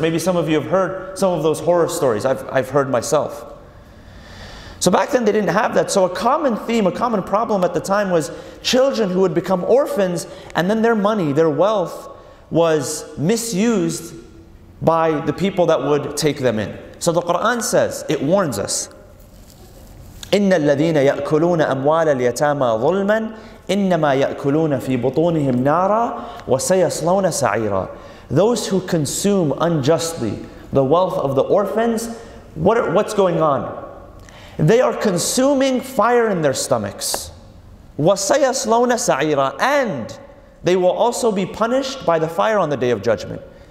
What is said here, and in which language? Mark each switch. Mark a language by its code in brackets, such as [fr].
[en] Maybe some of you have heard some of those horror stories. I've heard myself. So back then they didn't have that. So a common theme, a common problem at the time was children who would become orphans, and then their money, their wealth, was misused by the people that would take them in. So the Quran says, it warns us, [ar] إِنَّ الَّذِينَ يَأْكُلُونَ أَمْوَالَ الْيَتَامَى ظُلْمًا إِنَّمَا يَأْكُلُونَ فِي بُطُونِهِمْ نَارًا وَسَيَصْلَوْنَ سَعِيرًا. [en] Those who consume unjustly the wealth of the orphans, what's going on? They are consuming fire in their stomachs. [ar] وَسَيَصْلَوْنَ سَعِيرًا. [en] And they will also be punished by the fire on the Day of Judgment.